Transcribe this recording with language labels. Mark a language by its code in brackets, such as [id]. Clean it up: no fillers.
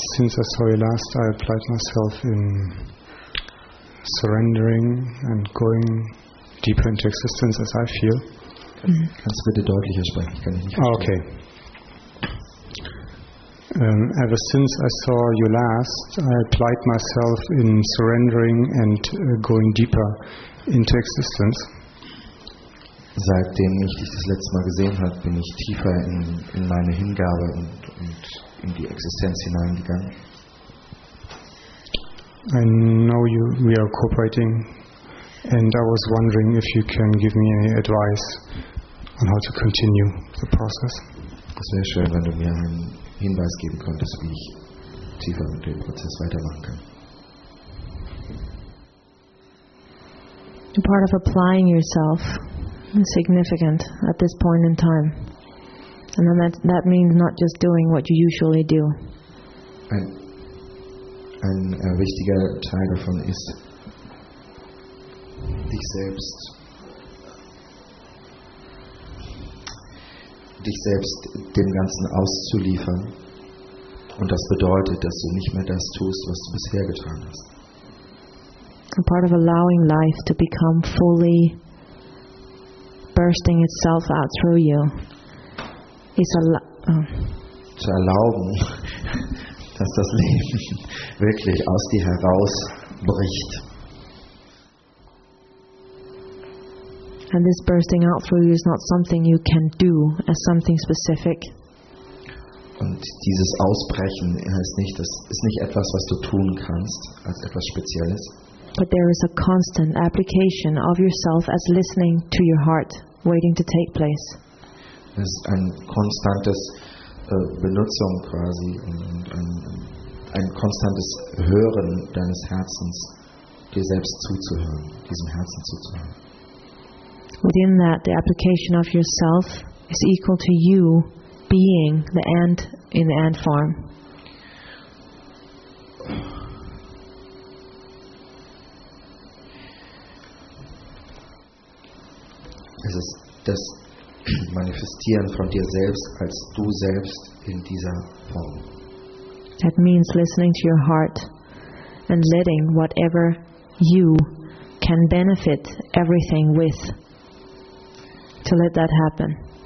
[en] since I saw you last, I applied myself in surrendering and going deeper into existence as I feel. [de] Kannst bitte deutlicher sprechen? Ich kann nicht verstehen. [en] Okay. Ever since I saw you last, I applied myself in surrendering and going deeper into existence. [de] Seitdem ich dich das letzte Mal gesehen habe, bin ich tiefer in meine Hingabe und in die Existenz hineingegangen. [en] I know you, we are cooperating, and I was wondering if you can give me any advice on how to continue the process. [de] Es wäre schön, wenn du mir einen Hinweis geben könntest, wie ich tiefer mit dem Prozess weitermachen kann. [en] A part of applying yourself significant at this point in time, and then that means not just doing what you usually do. [de] Ein wichtiger Teil davon ist, dich selbst dem Ganzen auszuliefern, und das bedeutet, dass du nicht mehr das tust, was du bisher getan hast. [en] A part of allowing life to become fully bursting itself out through you is [de] zu erlauben, dass das Leben wirklich aus dir herausbricht. [en] And this bursting out through you is not something you can do as something specific. [de] Und dieses Ausbrechen ist nicht etwas, was du tun kannst als etwas Spezielles. [en] But there is a constant application of yourself as listening to your heart, waiting to take place. [de] Es ist ein konstantes Benutzung quasi und ein konstantes Hören deines Herzens, dir selbst zuzuhören, diesem Herzen zuzuhören. [en] Within that, the application of yourself is equal to you being the ant in the ant form. [de] Es ist das manifestieren von dir selbst als du selbst in dieser Form. [en] That means listening to your heart and letting whatever you can benefit everything with, to let that happen.